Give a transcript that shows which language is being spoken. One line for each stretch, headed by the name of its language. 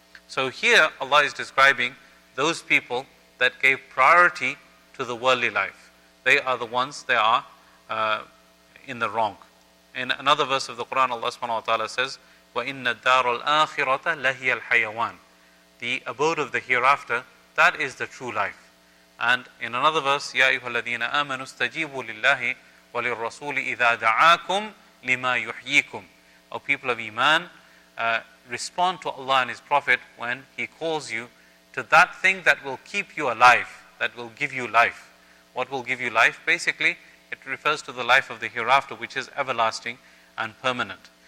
English: So here Allah is describing those people that gave priority to the worldly life. They are the ones, they are in the wrong. In another verse of the Quran, Allah subhanahu wa ta'ala says,
Arabic: وَإِنَّ الدَّارُ الْآخِرَةَ لَهِيَ الْحَيَوَانِ.
English: The abode of the hereafter, that is the true life. And in another verse,
Arabic: يَا أَيُّهَا الَّذِينَ آمَنُوا اسْتَجِيبُوا لِلَّهِ وَلِلرَّسُولِ إِذَا دَعَاكُمْ لِمَا يُحْيِيكُمْ.
English: O people of Iman, respond to Allah and His Prophet when He calls you to that thing that will keep you alive, that will give you life. What will give you life? Basically, it refers to the life of the hereafter, which is everlasting and permanent.